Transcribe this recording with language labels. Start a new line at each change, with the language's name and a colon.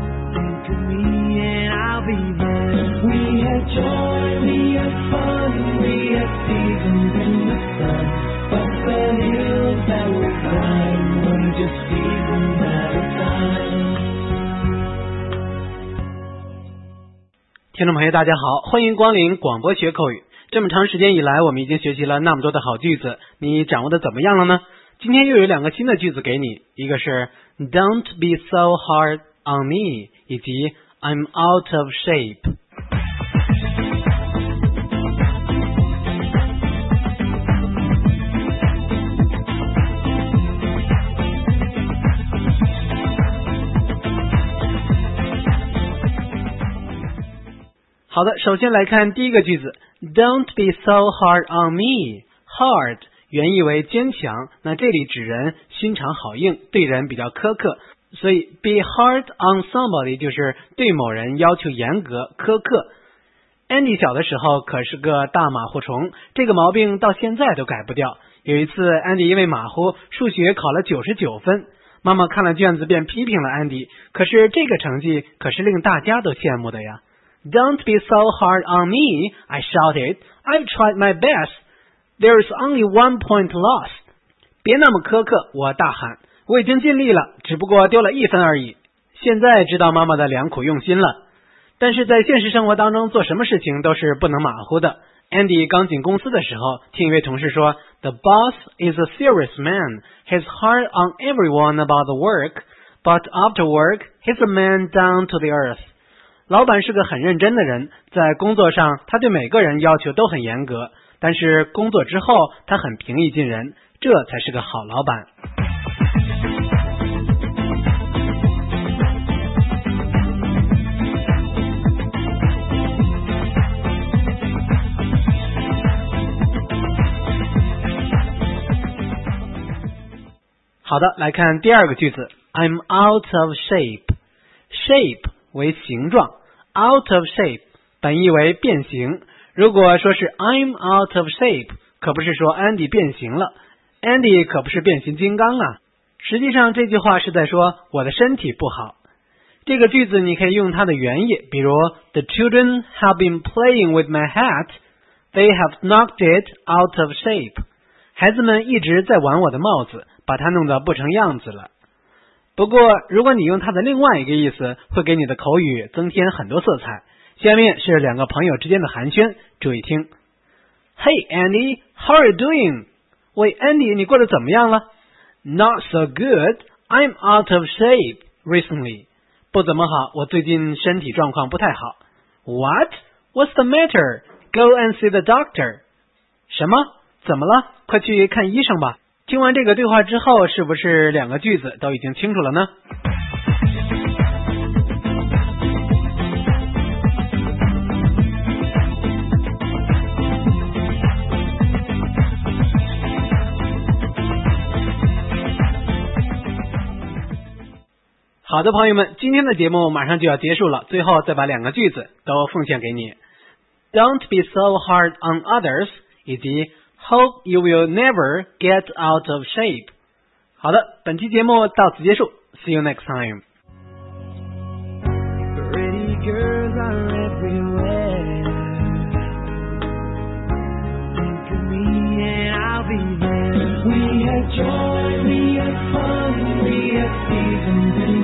English: Think of me and I'll be there. We had joy, we had fun, we had seasons in the sun. But the hills that we climbed were just seasons at a time.
Chinese: 听众朋友大家好，欢迎光临广播学口语。这么长时间以来，我们已经学习了那么多的好句子，你掌握的怎么样了呢？今天又有两个新的句子给你，一个是
English: Don't be so hard on me，
Chinese: 以及
English: I'm out of shape。
Chinese: 好的，首先来看第一个句子，
English: Don't be so hard on me.
Chinese: Hard 原意为坚强，那这里指人心肠好硬，对人比较苛刻，所以 be hard on somebody 就是对某人要求严格苛刻。 Andy 小的时候可是个大马虎虫，这个毛病到现在都改不掉。有一次 Andy 因为马虎数学考了99分，妈妈看了卷子便批评了 Andy， 可是这个成绩可是令大家都羡慕的呀。
English: Don't be so hard on me, I shouted. I've tried my best. There is only one point lost.
Chinese: 别那么苛刻，我大喊，我已经尽力了，只不过丢了一分而已。现在知道妈妈的良苦用心了。但是在现实生活当中，做什么事情都是不能马虎的。 Andy 刚进公司的时候，听一位同事说 ,
English: The boss is a serious man. He's hard on everyone about the work, but after work, he's a man down to the earth.
Chinese: 老板是个很认真的人，在工作上他对每个人要求都很严格，但是工作之后他很平易近人，这才是个好老板。好的，来看第二个句子，
English: I'm out of shape.
Chinese: Shape 为形状，out of shape 本意为变形，如果说是
English: I'm out of shape，
Chinese: 可不是说 Andy 变形了， Andy 可不是变形金刚啊。实际上这句话是在说我的身体不好。这个句子你可以用它的原意，比如
English: The children have been playing with my hat. They have knocked it out of shape.
Chinese: 孩子们一直在玩我的帽子，把它弄得不成样子了。不过如果你用它的另外一个意思，会给你的口语增添很多色彩。下面是两个朋友之间的寒暄，注意听。
English: Hey Andy, how are you doing?
Chinese: 喂 Andy, 你过得怎么样了？
English: Not so good, I'm out of shape recently.
Chinese: 不怎么好，我最近身体状况不太好。
English: What? What's the matter? Go and see the doctor.
Chinese: 什么？怎么了？快去看医生吧。听完这个对话之后，是不是两个句子都已经清楚了呢？好的，朋友们，今天的节目马上就要结束了，最后再把两个句子都奉献给你。
English: Don't be so hard on others 以及Hope you will never get out of shape.
Chinese: 好的，本期节目到此结束，
English: See you next time. Pretty girls are everywhere. Think of me and I'll be there. We had joy, we had fun, we had seasons.